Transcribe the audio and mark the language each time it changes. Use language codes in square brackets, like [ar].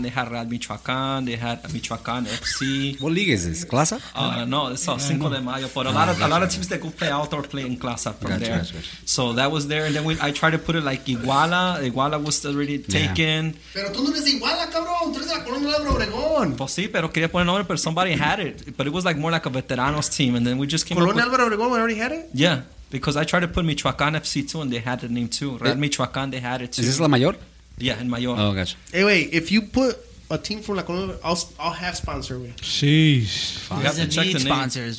[en] They had Real Michoacan, they had Michoacan FC. What league is this? Clasa? No, it's Cinco de Mayo, but a lot of teams that go play outdoor play in Clasa from gotcha, there. Gotcha. So that was there. And then I tried to put it like Iguala was already taken. [es] Pero tú no eres Iguala, cabrón. Tú eres la Colonia de Obregón. Pues sí, pero quería poner nombre, pero [en] somebody had it. But it was like more like a veteranos team. And then we just came Colonia up with... Colonia de Obregón, we already had it? Yeah. Because I tried to put Michoacan FC too, and they had the name too. Real Michoacan, they had it too. Is this La Mayor? Yeah, in Mayor. Oh, gotcha. Hey, wait. If you put a team from La Colombia, I'll have sponsor with. Sheesh. We have to check the sponsors,